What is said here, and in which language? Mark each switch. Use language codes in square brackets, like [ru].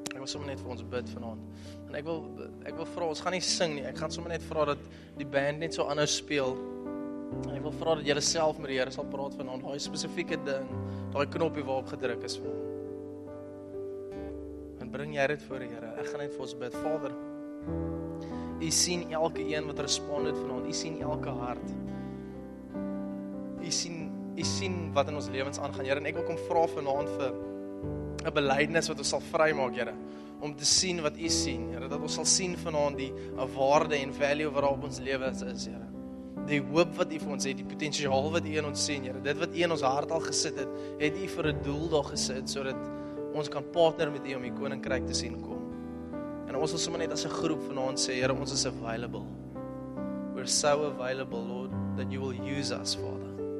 [af] Sommer net vir ons bid vanaand. En ek wil vra, ons gaan nie sing nie. Ek gaan sommer net vra dat die band net so anders speel. En ek wil vra dat julle self met die Here sal praat vanaand. Daai spesifieke ding, daai knoppie waarop gedruk is vanaand. En bring jy dit voor die Here. Ek gaan net vir ons bid. Vader, U sien elke een wat respond het vanaand. U sien elke hart. U sien wat in ons lewens aangaan, Here. En ek wil kom vra vanaand vir 'n belydenis wat ons sal vrymaak, Here, om te sien wat U sien, Here, dat ons sal sien vanaand die waarde en value waarop ons lewe is, Here. Die hoop wat U vir ons het, die potensiaal wat U in ons sien, Here, dit wat U in ons hart al gesit het, het U vir 'n doel daar gesit sodat ons kan partner met U om die koninkryk te sien kom. En ons wil sommer net as 'n groep vanaand sê, Here, ons is available. [en] We're so available, Lord, that You will use us, Father.